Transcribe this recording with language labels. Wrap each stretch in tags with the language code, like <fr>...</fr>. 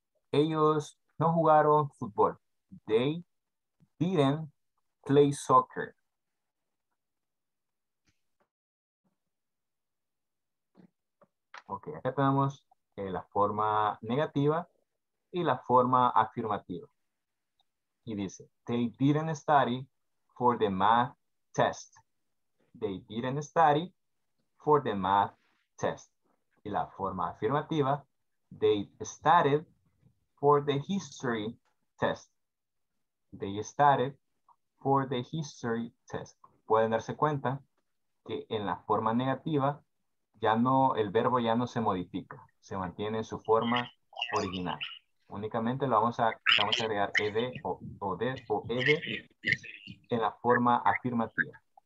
<es>Ellos no jugaron fútbol.</es> <en>They didn't play soccer.</en> <es>Ok, acá tenemos la forma negativa y la forma afirmativa. Y dice,</es> <en>they didn't study for the math test. They didn't study for the math test.</en> <es>Y la forma afirmativa,</es> <en>they studied for the history test. They studied for the history test.</en> <es>Pueden darse cuenta que en la forma negativa, ya no, el verbo ya no se modifica. Se mantiene en su forma original. Únicamente lo vamos a agregar ed o ed en la forma afirmativa.</es>